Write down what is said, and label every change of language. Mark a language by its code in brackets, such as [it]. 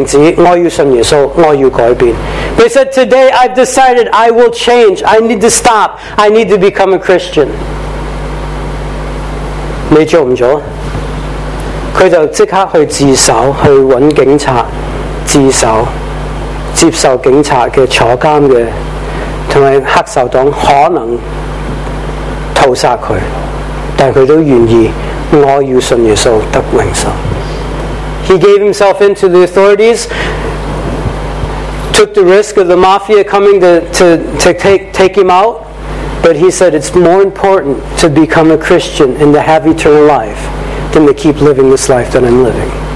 [zh] 所以我覺得很難改，但我今天決定了，我要停止，我要信耶穌，我要改變。 [en] They said, today I've decided I will change. I need to stop. I need to become a Christian. [zh] 你做不做? 他就立刻去自首，去找警察自首，接受警察的坐牢的，和黑手黨可能屠殺他，但他都願意，我要信耶�u得永生。 [en] He gave himself into the authorities, took the risk of the mafia coming to take him out, but he said it's more important to become a Christian and to have eternal life than to keep living this life that I'm living.